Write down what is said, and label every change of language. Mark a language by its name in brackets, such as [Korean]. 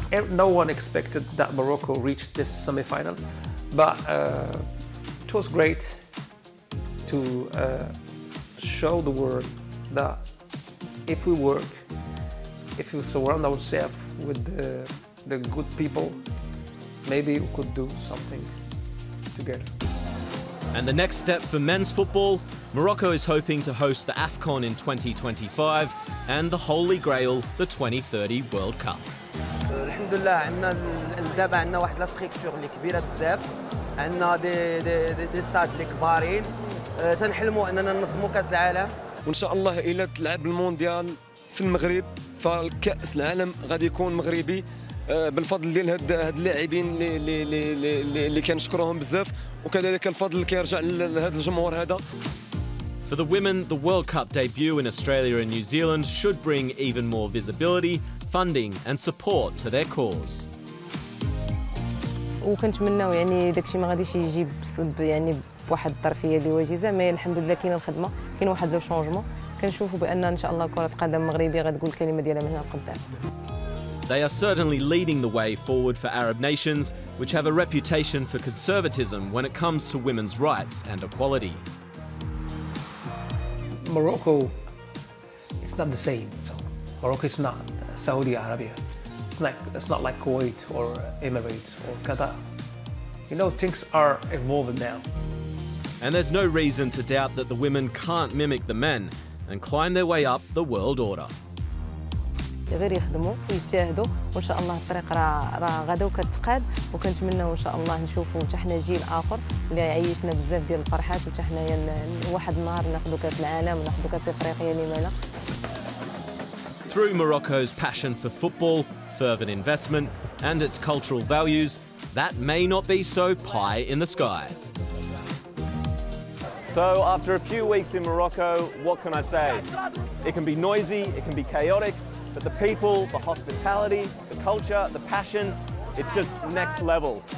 [English] No one expected that Morocco reached this semi-final, but it was great to show the world that if we work, if we surround ourselves with the good people, maybe we could do something together. And the next step for men's football, Morocco is hoping to host the AFCON in 2025 and the Holy Grail, the 2030 World Cup. [Arabic] الحمد لله عندنا دابا عندنا واحد لا ستريكتور اللي كبيره بزاف عندنا دي ستاد اللي كبارين تنحلموا اننا ننظموا كاس العالم وان شاء الله الى تلعب المونديال في المغرب فالكاس العالم غادي يكون مغربي بالفضل ديال هاد اللاعبين اللي كنشكرهم بزاف وكذلك الفضل اللي كيرجع لهذا الجمهور هذا. [English] For the women, the World Cup debut in Australia and New Zealand should bring even more visibility, funding and support to their cause. [Arabic] وكنتمنوا يعني داكشي ما غاديش يجي يعني بواحد الطرفيه ديال وجيزه مي الحمد لله كاينه الخدمه كاين واحد لو شونجمون كنشوفوا بان ان شاء الله كره القدم المغربيه غتقول الكلمه ديالها من هنا لقدام. [English] They are certainly leading the way forward for Arab nations which have a reputation for conservatism when it comes to women's rights and equality. Morocco, it's not the same. So Morocco is not Saudi Arabia. It's not like Kuwait or Emirates or Qatar. You know, things are evolving now. And there's no reason to doubt that the women can't mimic the men and climb their way up the world order. [Arabic] غير يخدموا ويجتهدوا وان شاء الله الطريق راه غدا وكتقاد وكنتمنوا ان شاء الله نشوفوا حتى حنا جيل اخر اللي عيشنا بزاف ديال الفرحات وحتى حنايا واحد النهار ناخذوا كاس العالم وناخذوا كاس افريقيا لما لا. [English] Through Morocco's passion for football, fervent investment, and its cultural values, that may not be so pie in the sky. So after a few weeks in Morocco, what can I say? It can be noisy, it can be chaotic, but the people, the hospitality, the culture, the passion, it's just next level.